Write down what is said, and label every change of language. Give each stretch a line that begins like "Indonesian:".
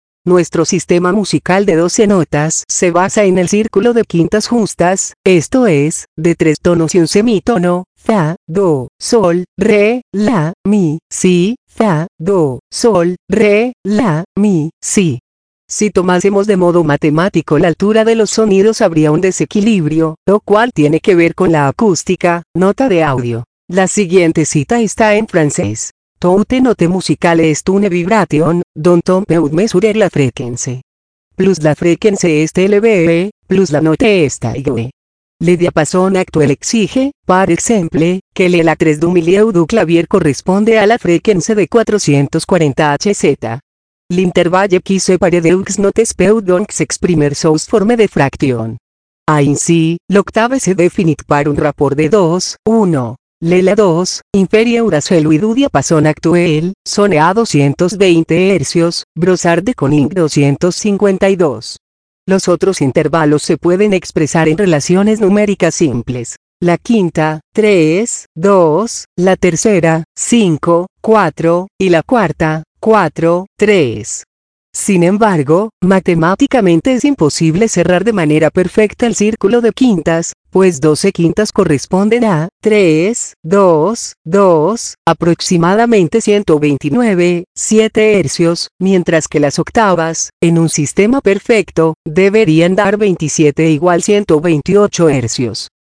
Spanish: Nuestro sistema musical de 12 notas se basa en el círculo de quintas justas, esto es, de 3 tonos y un semítono, fa, do, sol, re, la, mi, si, fa, do, sol, re, la, mi, si. Si tomásemos de modo matemático la altura de los sonidos habría un desequilibrio, lo cual tiene que ver con la acústica, nota de audio. La siguiente cita está en francés.
French: Toute note musicale est une vibration, dont on peut mesurer la fréquence. Plus la fréquence est élevée, plus la note est aiguë. Le diapason actuel exige, par exemple, que le la 3 du milieu du clavier corresponde a la fréquence de 440 Hz. L'intervalle qui sépare deux notes peut donc s'exprimer sous forme de fraction. Ainsi, l'octave se définit par un rapport de 2, 1. Le la 2, inférieur à celui du diapason actuel, sonne à 220 Hz, Brossard de Coninck 252.
Spanish: Los otros intervalos se pueden expresar en relaciones numéricas simples. La quinta, 3, 2, la tercera, 5, 4, y la cuarta, 4, 3. Sin embargo, matemáticamente es imposible cerrar de manera perfecta el círculo de quintas, pues 12 quintas corresponden a 3, 2, 2, aproximadamente 129, 7 hercios, mientras que las octavas, en un sistema perfecto, deberían dar 27 igual 128 hercios.